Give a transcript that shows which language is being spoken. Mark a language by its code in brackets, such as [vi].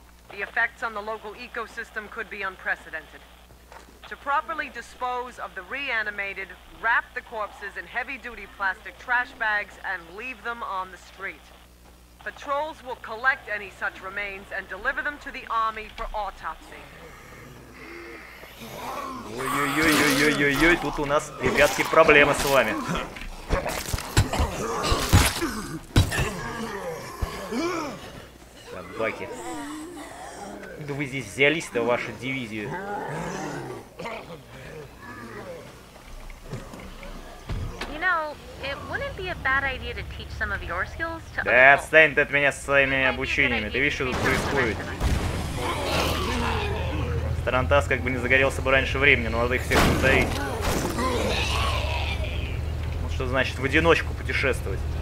[en] The effects on the local ecosystem could be unprecedented. To properly dispose of the reanimated, wrap the corpses in heavy-duty plastic trash bags and leave them on the street. Patrols will collect any such remains and deliver them to the army for autopsy. [ru] Ой-ой-ой-ой-ой-ой-ой, тут у нас, ребятки, проблемы с вами. Собаки. Да вы здесь взялись-то, вашу дивизию. [en] You know, it wouldn't be a bad idea to teach some of your skills to... [ru] Да отстань ты от меня со своими обучениями, ты видишь, что тут происходит. Тарантас как бы не загорелся бы раньше времени, но надо их всех затаить. Вот что значит в одиночку путешествовать.